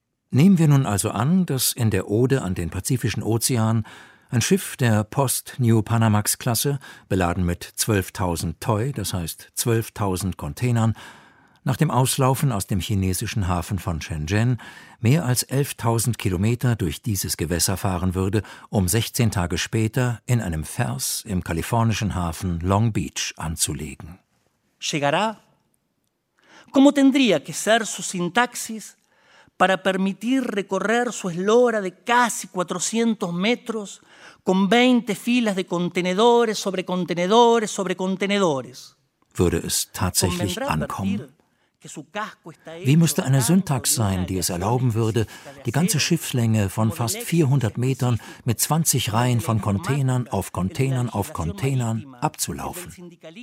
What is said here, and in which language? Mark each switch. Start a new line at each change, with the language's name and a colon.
German: Nehmen wir nun also an, dass in der Ode an den Pazifischen Ozean ein Schiff der Post-New-Panamax-Klasse, beladen mit 12.000 Toy, das heißt 12.000 Containern, nach dem Auslaufen aus dem chinesischen Hafen von Shenzhen mehr als 11.000 Kilometer durch dieses Gewässer fahren würde, um 16 Tage später in einem Vers im kalifornischen Hafen Long Beach anzulegen.
Spanish: Llegará? ¿Cómo tendría que ser su sintaxis para permitir recorrer su eslora de casi 400 metros con 20 filas de contenedores sobre contenedores sobre contenedores?
German: Würde es tatsächlich ankommen? Wie müsste eine Syntax sein, die es erlauben würde, die ganze Schiffslänge von fast 400 Metern mit 20 Reihen von Containern auf Containern auf Containern abzulaufen?